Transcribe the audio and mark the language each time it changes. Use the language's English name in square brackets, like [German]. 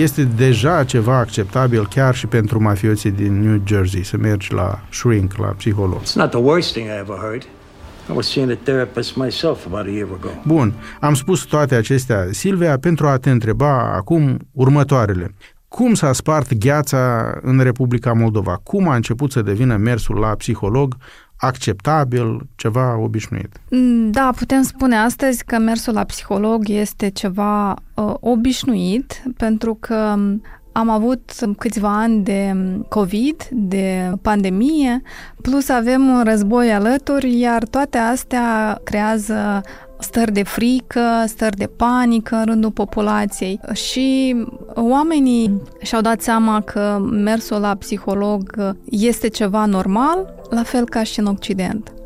[Romanian] Este deja ceva acceptabil chiar și pentru mafioții din New Jersey să mergi la shrink, la psiholog. [English] It's not the worst thing I ever heard. I was seeing a therapist myself about a year ago. [Romanian] Bun, am spus toate acestea, Silvia, pentru a te întreba acum următoarele. Cum s-a spart gheața în Republica Moldova? Cum a început să devină mersul la psiholog acceptabil, ceva obișnuit? Da, putem spune astăzi că mersul la psiholog este ceva obișnuit, pentru că am avut câțiva ani de COVID, de pandemie, plus avem un război alături, iar toate astea creează stări de frică, stări de panică în rândul populației și oamenii și-au dat seama că mersul la psiholog este ceva normal, la fel ca și în Occident.